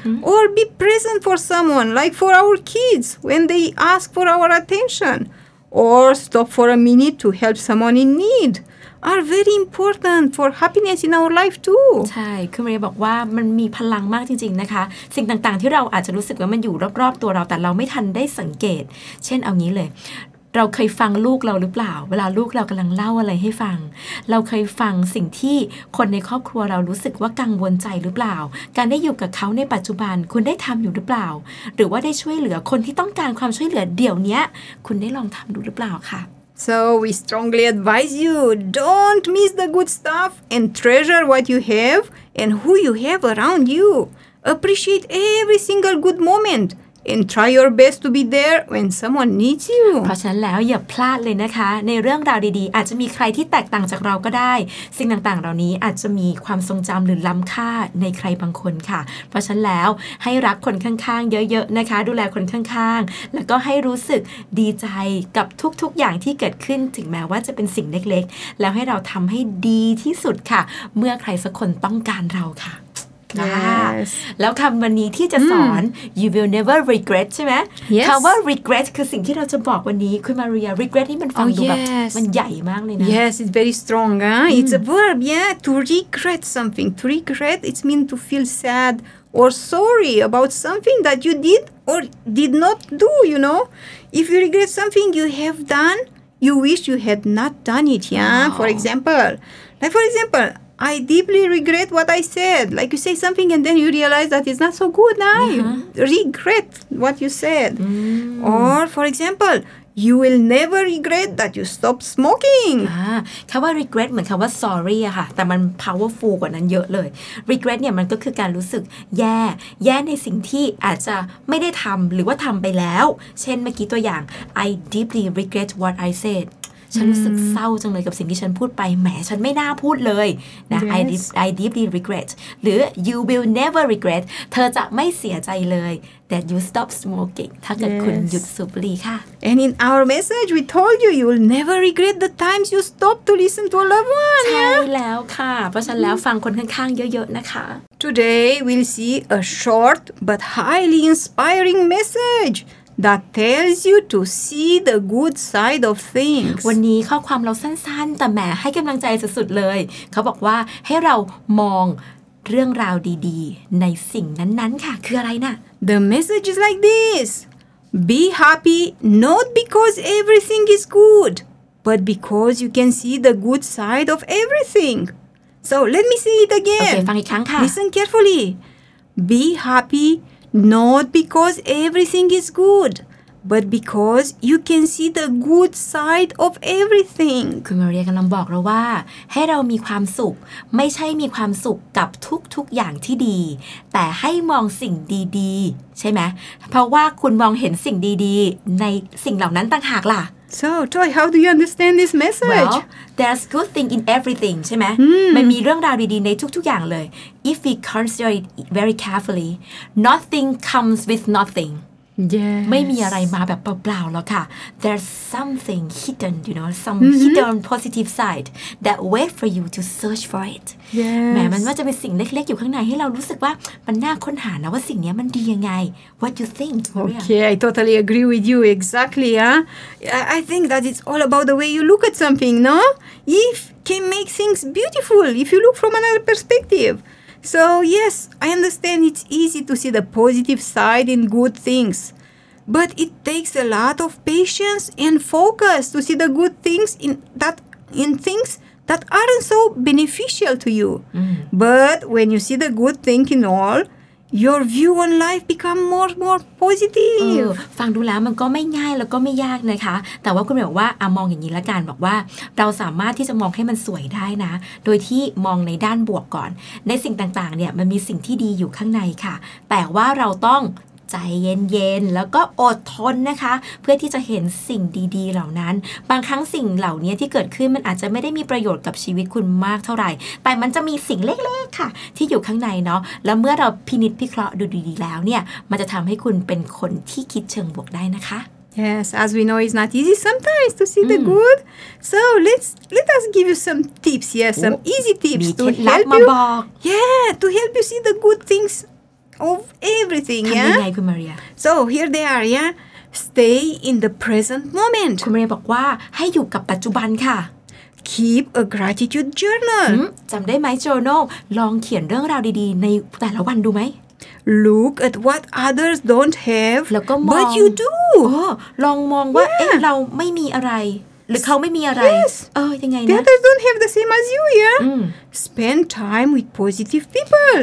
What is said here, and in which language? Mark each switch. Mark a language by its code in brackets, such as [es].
[en] or be present for someone like for our kids when they ask for our attention or stop for a minute to help someone in need are very important for happiness in our life too [th] ใช่คุณมาเรียบอกว่ามันมีพลังมากจริงๆนะคะสิ่งต่างๆที่เราอาจจะรู้สึกว่ามันอยู่รอบๆตัวเราแต่เราไม่ทันได้สังเกตเช่นเอางี้เลยเราเคยฟังลูกเราหรือเปล่าเวลาลูกเรากำลังเล่าอะไรให้ฟังเราเคยฟังสิ่งที่คนในครอบครัวเรารู้สึกว่ากังวลใจหรือเปล่าการได้อยู่กับเขาในปัจจุบันคุณได้ทำอยู่หรือเปล่าหรือว่าได้ช่วยเหลือคนที่ต้องการความช่วยเหลือเดี๋ยวนี้คุณได้ลองทำดูหรือเปล่าค่ะ [en] So we strongly advise you don't miss the good stuff and treasure what you have and who you have around you appreciate every single good momentAnd try your best to be there when someone needs you. [th] เพราะฉะนั้นแล้วอย่าพลาดเลยนะคะในเรื่องราวดีๆอาจจะมีใครที่แตกต่างจากเราก็ได้สิ่งต่างๆเหล่านี้อาจจะมีความทรงจำหรือล้ำค่าในใครบางคนค่ะเพราะฉะนั้นแล้วให้รักคนข้างๆเยอะๆนะคะดูแลคนข้างๆแล้วก็ให้รู้สึกดีใจกับทุกๆอย่างที่เกิดขึ้นถึงแม้ว่าจะเป็นสิ่งเล็กๆแล้วให้เราทำให้ดีที่สุดค่ะเมื่อใครสักคนต้องการเราค่ะ [en] Yes. [th] แล้วคำวันนี้ที่จะสอน [en] you will never regret [th] ใช่ไหม [en] yes. [th] คำว่า regret คือสิ่งที่เราจะบอกวันนี้คุณมาเรีย regret นี่มันฟัง oh, ดู [en] yes. [th] แบบมันใหญ่มากเลยนะ [en] yes it's very strong it's a verb yeah to regret something to regret it's mean to feel sad or sorry about something that you did or did not do you know if you regret something you have done you wish you had not done it yeah oh. for example I deeply regret what I said. Like you say something and then you realize that it's not so good now. Uh-huh. You regret what you said. Mm. Or, for example, You will never regret that you stopped smoking. [th] คำว่า regret เหมือนคำว่า sorry อะค่ะแต่มัน powerful กว่านั้นเยอะเลย regret เนี่ยมันก็คือการรู้สึกแย่แย่ในสิ่งที่อาจจะไม่ได้ทำหรือว่าทำไปแล้วเช่นเมื่อกี้ตัวอย่าง [en] I deeply regret what I said [th] ฉันรู้สึกเศร้าจังเลยกับสิ่งที่ฉันพูดไปแหมฉันไม่น่าพูดเลยนะ [en] I deeply regret [th] หรือ [en] You will never regret [th] เธอจะไม่เสียใจเลย [en] That you stop smoking [th] ถ้าเกิดคุณหยุดสูบบุหรี่ค่ะ [en] And in our message we told you you will never regret the times you stop to listen to a loved one [th] ใช่แล้วค่ะเพราะฉันแล้วฟังคนข้างๆเยอะๆนะคะ [en] Today we'll see a short but highly inspiring messageThat tells you to see the good side of things. [th] วันนี้ข้อความเราสั้นๆแต่แหมให้กำลังใจสุดๆเลยเขาบอกว่าให้เรามองเรื่องราวดีๆในสิ่งนั้นๆค่ะคืออะไรน่ะ [en] The message is like this: Be happy not because everything is good, but because you can see the good side of everything. So let me say it again. [th] Okay, ฟังอีกครั้งค่ะ [en] Listen carefully. Be happyNot because everything is good, but because you can see the good side of everything. [th] คุณมาเรียกำลังบอกเราว่าให้เรามีความสุขไม่ใช่มีความสุขกับทุกๆอย่างที่ดีแต่ให้มองสิ่งดีๆใช่ไหมเพราะว่าคุณมองเห็นสิ่งดีๆในสิ่งเหล่านั้นต่างหากล่ะ [en] So, Joy, how do you understand this message? Well, there's good thing in everything, [th] ใช่ไหม มันมีเรื่องราวดีๆในทุกๆอย่างเลย [en] If we consider it very carefully, nothing comes with nothing. Yes. [th] ไม่มีอะไรมาแบบเปล่าๆหรอกค่ะ [en] There's something hidden, you know, some mm-hmm. hidden positive side that wait for you to search for it. Yes. [th] แม้มันว่าจะเป็นสิ่งเล็กๆอยู่ข้างในให้เรารู้สึกว่ามันน่าค้นหานะว่าสิ่งนี้มันดียังไง [en] What you think? Okay, I totally agree with you exactly, huh? I think that it's all about the way you look at something, no? If can make things beautiful if you look from another perspective. So, yes, I understand it's easy to see the positive side in good things. But it takes a lot of patience and focus to see the good things in things that aren't so beneficial to you. Mm. But when you see the good thing in all... Your view on life become more positive. [th] ฟังดูแล้วมันก็ไม่ง่ายแล้วก็ไม่ยากนะคะแต่ว่าคุณหมายว่าอะมองอย่างนี้ละกันบอกว่าเราสามารถที่จะมองให้มันสวยได้นะโดยที่มองในด้านบวกก่อนในสิ่งต่างๆเนี่ยมันมีสิ่งที่ดีอยู่ข้างในค่ะแต่ว่าเราต้อง ใจเย็นๆแล้วก็อดทนนะคะเพื่อที่จะเห็นสิ่งดีๆเหล่านั้นบางครั้งสิ่งเหล่านี้ที่เกิดขึ้นมันอาจจะไม่ได้มีประโยชน์กับชีวิตคุณมากเท่าไหร่แต่มันจะมีสิ่งเล็กๆค่ะที่อยู่ข้างในเนาะแล้วเมื่อเราพินิจพิเคราะห์ดูดีๆแล้วเนี่ยมันจะทำให้คุณเป็นคนที่คิดเชิงบวกได้นะคะ [en] Yes as we know it's not easy sometimes to see the good so let us give you some tips yes some easy tips to help you yeah to help you see the good thingsOf everything, yeah. [th] ทำยังไงคุณมาเรีย [en] So here they are, yeah. Stay in the present moment. [th] คุณมาเรียบอกว่าให้อยู่กับปัจจุบันค่ะ [en] Keep a gratitude journal. [th] จำได้ไหม journal? ลองเขียนเรื่องราวดีๆในแต่ละวันดูไหม [en] Look at what others don't have. [th] แล้วก็มอง [en] But you do. [th] ลองมองว่า เราไม่มีอะไรหรือเขาไม่มีอะไร [en] Yes. [th] ยังไงนะ [en] The others don't have the same as you, yeah? Spend time with positive people.